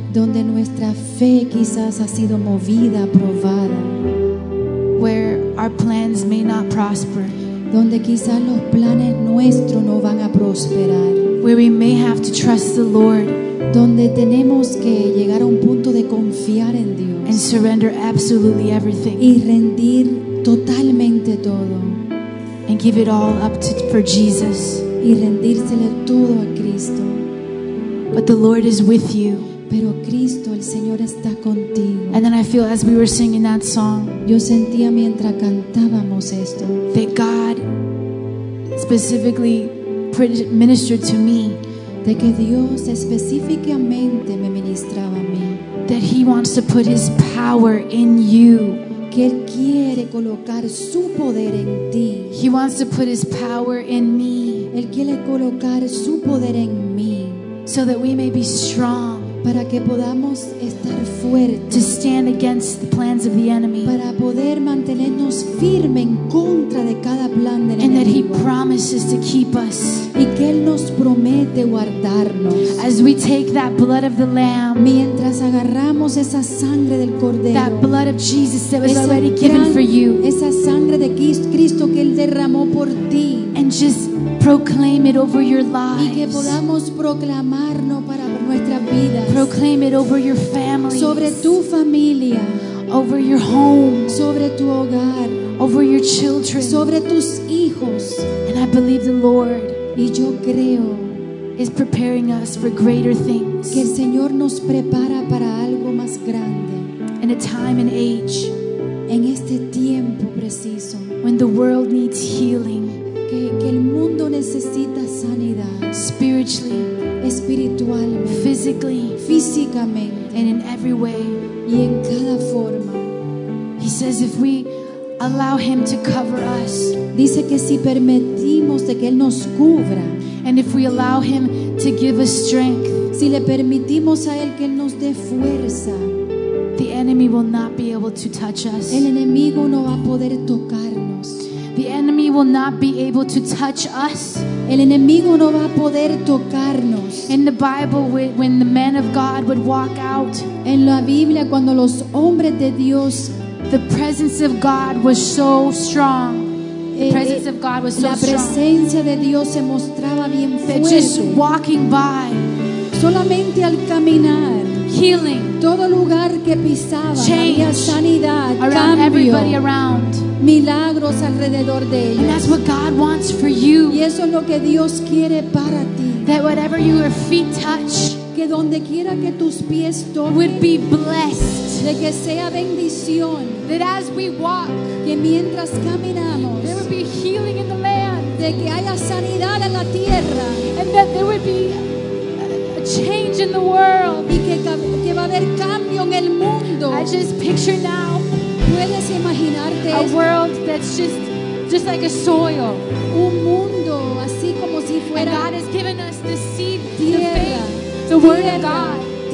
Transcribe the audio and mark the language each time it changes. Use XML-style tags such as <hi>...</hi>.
<es>donde nuestra fe quizás ha sido movida, probada</es> <en>where our plans may not prosper</en> <es>donde quizás los planes nuestros no van a prosperar</es> <en>where we may have to trust the Lord</en> <es>donde tenemos que llegar a un punto de confiar en Dios</es> <en>and surrender absolutely everything</en> <es>y rendir totalmente todo</es> <en>and give it all up to, for Jesus</en> <es>y rendírsele todo a Cristo</es> <en>But the Lord is with you.</en> <es>Pero Cristo, el Señor está contigo.</es> <en>And then I feel as we were singing that song.</en> <es>Yo sentía mientras cantábamos esto.</es> <en>That God specifically ministered to me.</en> <es>De que Dios específicamente me ministraba a mí.</es> <en>That He wants to put His power in you.</en> <es>Que Él quiere colocar su poder en ti.</es> <en>He wants to put His power in me.</en> <es>Él quiere colocar su poder en mí.</es> <en>So that we may be strong</en> <es>para que podamos estar fuerte</es> <en>to stand against the plans of the enemy</en> <es>para poder mantenernos firme en contra de cada plan del enemigo</es> <en>and that he promises to keep us</en> <es>y que él nos promete guardarnos</es> <en>as we take that blood of the lamb</en> <es>mientras agarramos esa sangre del cordero</es> <en>that blood of Jesus that was already given for you</en> <es>esa sangre de Cristo que él derramó por ti</es> <en>and just proclaim it over your lives</en> <es>y que podamos proclamarlo para nuestras vidas</es> <en>proclaim it over your family</en> <es>sobre tu familia</es> <en>over your home</en> <es>sobre tu hogar</es> <en>over your children</en> <es>sobre tus hijos</es> <en>and I believe the Lord</en> <es>y yo creo</es> <en>is preparing us for greater things</en> <es>que el Señor nos prepara para algo más grande</es> <en>in a time and age</en> <es>en este tiempo preciso</es> <en>when the world needs healing</en> <es>que el mundo necesita sanidad</es> <en>spiritually</en> <es>espiritualmente</es> <en>physically</en> <es>físicamente</es> <en>and in every way</en> <es>y en cada forma</es> <en>he says if we allow him to cover us</en> <es>dice que si permitimos de que él nos cubra</es> <en>and if we allow him to give us strength</en> <es>si le permitimos a él que él nos dé fuerza</es> <en>the enemy will not be able to touch us</en> <es>el enemigo no va a poder tocarnos</es> <en>The enemy will not be able to touch us.</en> <es>El enemigo no va a poder tocarnos.</es> <en>In the Bible, when the men of God would walk out,</en> <es>en la Biblia cuando los hombres de Dios,</es> <en>the presence of God was so strong. The presence of God was so strong.</en> <es>La presencia de Dios se mostraba bien fuerte.</es> <en>That just walking by,</en> <es>solamente al caminar,</es> <en>healing.</en> <es>Todo lugar que pisaba</es> <en>change</en> <es>había sanidad,</es> <en>around</en> <es>cambio,</es> <en>everybody around</en> <es>milagros alrededor de ellos.</es> <en>And that's what God wants for you</en> <es>y eso es lo que Dios quiere para ti.</es> <en>That whatever your feet touch</en> <es>que donde quiera que tus pies toquen,</es> <en>would be blessed</en> <es>de que sea bendición.</es> <en>That as we walk</en> <es>que mientras caminamos,</es> <en>there would be healing in the land</en> <es>de que haya sanidad en la tierra.</es> <en>And that there would be a change in the world</en> <es>y que va a haber cambio en el mundo.</es> <en>I just picture now</en> <es>puedes imaginarte</es> <en>a world that's just like a soil</en> <es>un mundo así como si fuera</es> <en>and God has given us the seed</en> <es>tierra,</es> <en>the faith the</en> <es>tierra,</es> <en>word of God</en>